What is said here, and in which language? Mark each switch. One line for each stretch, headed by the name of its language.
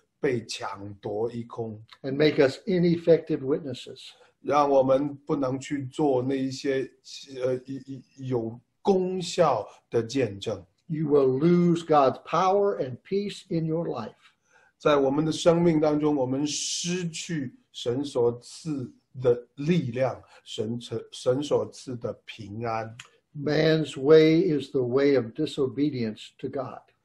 Chinese: 这使我们在主里面的喜乐被抢夺一空,
English: and make us ineffective witnesses.
Chinese: 让我们不能去做那些有功效的见证。
English: You will lose God's power and peace in your life.
Chinese: 在我们的生命当中, 我们失去神所赐 的力量, 神所赐的平安。
English: Man's way is the way of disobedience to God.